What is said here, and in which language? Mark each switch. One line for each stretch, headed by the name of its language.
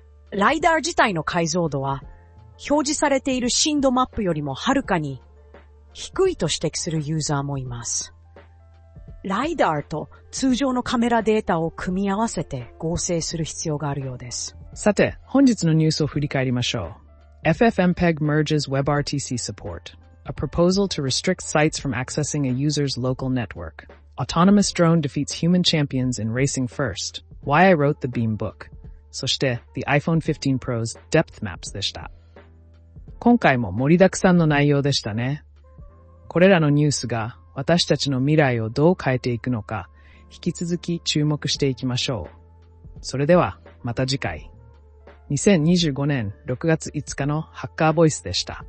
Japanese: ライダー自体の解像度は、表示されている深度マップよりもはるかに低いと指摘するユーザーもいます。ライダーと通常のカメラデータを組み合わせて合成する必要があるようです。さて、本日のニュースを振り返りましょう。
English: FFmpeg merges WebRTC support. A proposal to restrict sites from accessing a user's local network. Autonomous drone defeats human champions in racing first. Why I wrote the Beam book.
Japanese: そして、
English: The iPhone 15 Pro's Depth Maps
Japanese: でした。今回も盛りだくさんの内容でしたね。これらのニュースが私たちの未来をどう変えていくのか、引き続き注目していきましょう。それでは、また次回。2025年6月5日のハッカーボイスでした。